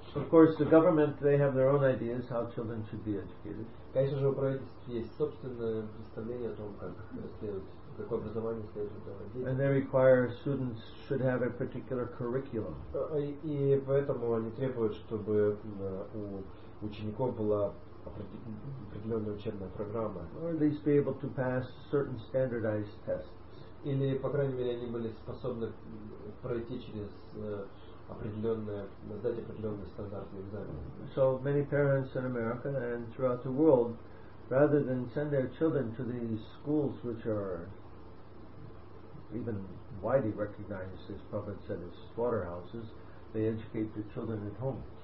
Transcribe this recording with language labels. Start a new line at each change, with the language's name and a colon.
English: Of course, the government, they have their own ideas how children should be educated.
Russian: Конечно же, у правительства есть собственное представление о том, как следует, какое образование следует давать детям.
English: And they require students should have a particular curriculum.
Russian: И поэтому они требуют, чтобы у учеников была определенная учебная программа.
English: Or at least be able to pass certain standardized tests.
Russian: Или, по крайней мере, они были способны пройти через определенные, сдать определенные стандартные экзамены.
English: So many parents in America and throughout the world, rather than send their children to these schools which are even widely recognized, as Prabhupada said, as slaughterhouses, they educate their children at home.